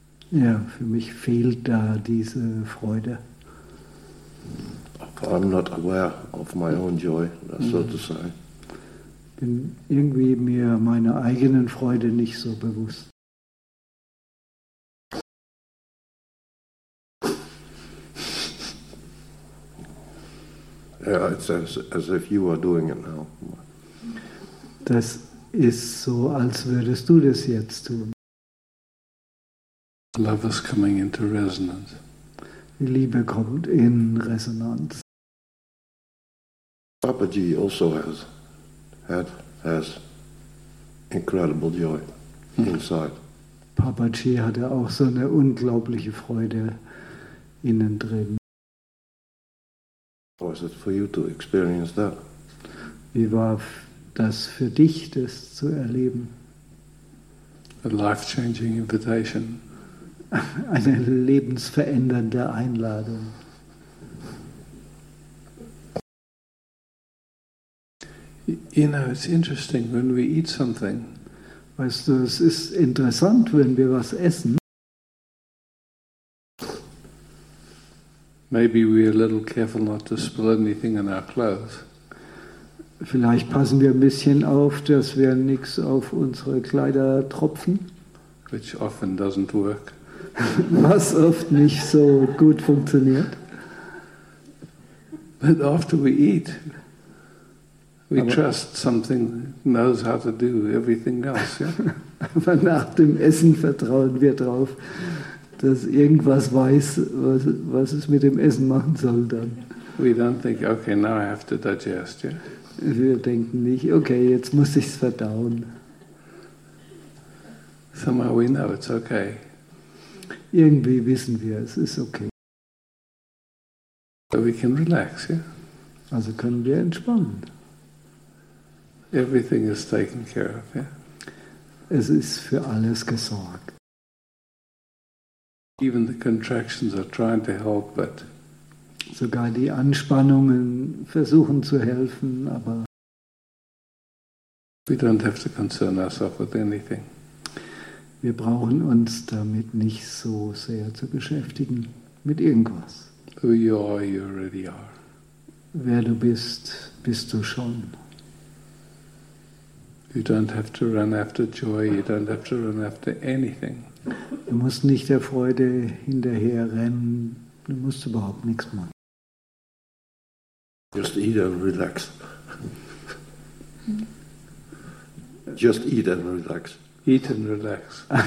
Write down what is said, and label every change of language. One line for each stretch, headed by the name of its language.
German: Ja, für mich fehlt da diese Freude.
English: I'm not aware of my own joy, so to say.
German: Bin irgendwie mir meiner eigenen Freude nicht so bewusst.
English: Yeah, it's as if you are doing it now.
German: Das ist so, als würdest du das jetzt tun.
English: Love is coming into resonance.
German: Die Liebe kommt in Resonanz.
English: Papaji also has incredible joy inside.
German: Papaji hatte auch so eine unglaubliche Freude innen drin.
English: Was it for you to experience that?
German: Wie war das für dich, das zu erleben?
English: A life-changing invitation.
German: Eine lebensverändernde Einladung.
English: You know, it's interesting when we eat something.
German: Weißt du, es ist interessant, wenn wir was essen.
English: Maybe we're a little careful not to spill anything in our clothes.
German: Vielleicht passen wir ein bisschen auf, dass wir nichts auf unsere Kleider tropfen.
English: Which often doesn't work.
German: Was oft nicht so gut funktioniert.
English: But after we eat, we trust something knows how to do everything else. Yeah?
German: Aber nach dem Essen vertrauen wir drauf, dass irgendwas weiß, was es mit dem Essen machen soll dann.
English: We don't think, okay, now I have to digest, yeah?
German: Wir denken nicht, okay, jetzt muss ich es verdauen.
English: Somehow we know it's okay.
German: Irgendwie wissen wir, es ist okay.
English: So we can relax, yeah?
German: Also können wir entspannen.
English: Everything is taken care of, yeah?
German: Es ist für alles gesorgt.
English: Even the contractions are trying to help, but
German: sogar die Anspannungen versuchen zu helfen, aber
English: we don't have to concern ourselves with anything.
German: Wir brauchen uns damit nicht so sehr zu beschäftigen, mit irgendwas.
English: Who you are, you already are.
German: Wer du bist, bist du schon.
English: You don't have to run after joy, you don't have to run after anything.
German: Du musst nicht der Freude hinterher rennen, du musst überhaupt nichts machen.
English: Just eat and relax. Just eat and relax. Eat and relax.